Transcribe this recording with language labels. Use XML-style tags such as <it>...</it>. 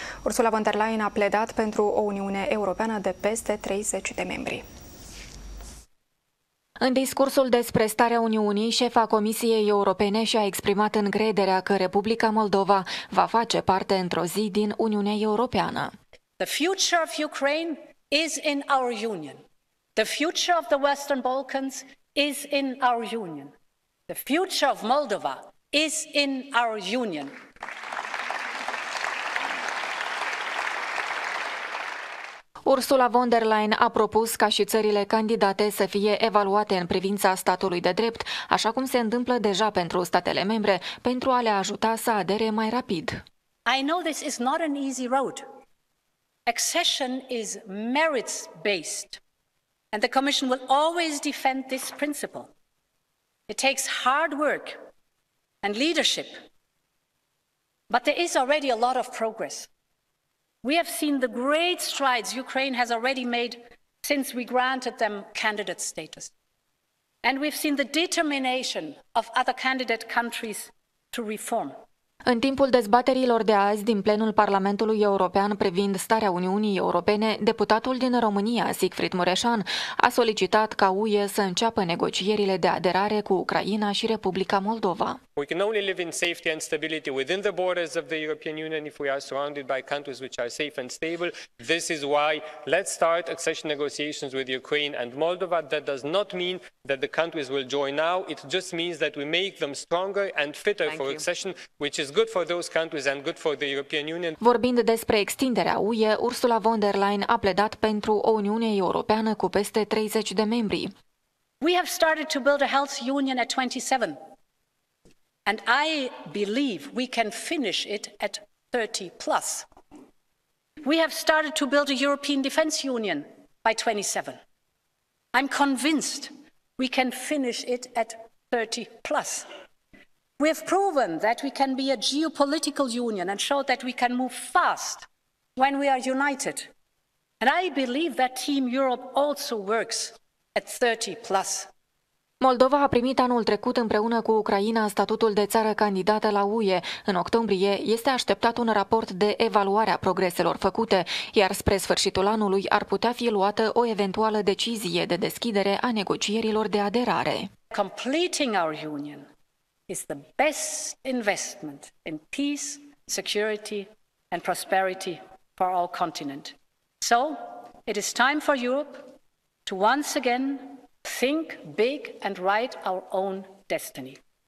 <ro>Ursula von der Leyen a pledat pentru o Uniune Europeană de peste 30 de membri. În discursul despre starea Uniunii, șefa Comisiei Europene și-a exprimat încrederea că Republica Moldova va face parte într-o zi din Uniunea Europeană.</ro> <en>The future of Ukraine is in our union. The future of the Western Balkans is in our union. The future of Moldova is in our union.</en> <ro>Ursula von der Leyen a propus ca și țările candidate să fie evaluate în privința statului de drept, așa cum se întâmplă deja pentru statele membre, pentru a le ajuta să adere mai rapid.</ro> <en>I know this is not an easy road. Accession is merits-based, and the Commission will always defend this principle. It takes hard work and leadership, but there is already a lot of progress. We have seen the great strides Ukraine has already made since we granted them candidate status. And we've seen the determination of other candidate countries to reform.</en> <ro>În timpul dezbaterilor de azi din plenul Parlamentului European privind starea Uniunii Europene, deputatul din România, Siegfried Mureșan, a solicitat ca UE să înceapă negocierile de aderare cu Ucraina și Republica Moldova.</ro> <en>We can only live in safety and stability within the borders of the European Union if we are surrounded by countries which are safe and stable. This is why let's start accession negotiations with Ukraine and Moldova. That does not mean that the countries will join now. It just means that we make them stronger and fitter for accession, which is good for those countries and good for the European Union.</en> <ro>Vorbind despre extinderea UE, Ursula von der Leyen a pledat pentru o Uniune Europeană cu peste 30 de membri.</ro> <en>We have started to build a health union at 27. And I believe we can finish it at 30 plus. We have started to build a European Defence Union by 27. I'm convinced we can finish it at 30 plus. We have proven that we can be a geopolitical union and show that we can move fast when we are united. And I believe that Team Europe also works at 30 plus.</en> <ro>Moldova a primit anul trecut împreună cu Ucraina statutul de țară candidată la UE. În octombrie este așteptat un raport de evaluare a progreselor făcute, iar spre sfârșitul anului ar putea fi luată o eventuală decizie de deschidere a negocierilor de aderare.</ro> <en>Completing our union is the best investment in peace, security and prosperity for our continent. So, it is time for Europe to once again think big and write our own destiny.</en>